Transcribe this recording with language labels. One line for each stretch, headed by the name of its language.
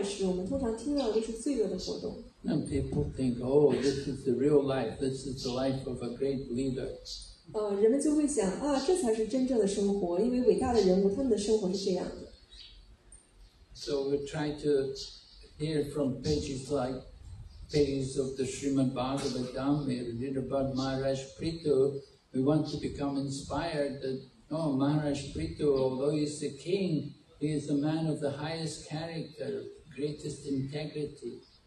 Chinese: 比如说有一个人，他可能年纪轻轻就染上了毒瘾，就吸毒，然后做了很多的坏事。我们通常听到的就是罪恶的活动。
English: And people think, oh, this is the real life. This is the life of a great leader.
Chinese: 人们就会想，这才是真正的生活，因为伟大的人物他们的生活是这样的。
English: So we try to hear from pages of the Srimad Bhagavatam. We read about Maharaj Prithu. We want to become inspired that, oh, Maharaj Prithu, although he's the king, he is a man of the highest character, greatest integrity.